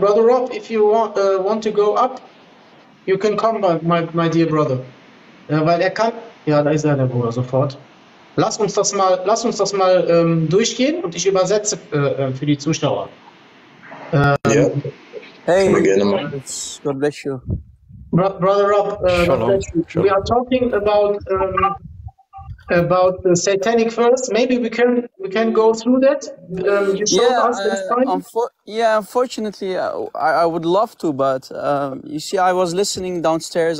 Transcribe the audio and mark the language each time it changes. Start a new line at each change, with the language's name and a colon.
English: Brother Rob, if you want to go up, you can come, my dear brother.
German: Ja, weil er kann. Ja, da ist er, der Bruder, sofort. Lass uns das mal durchgehen und ich übersetze für die Zuschauer.
English: Hey, God bless you. Brother Rob, we are talking about the satanic verse. Maybe we can go through that. Unfortunately, I would love to, but you see, I was listening downstairs.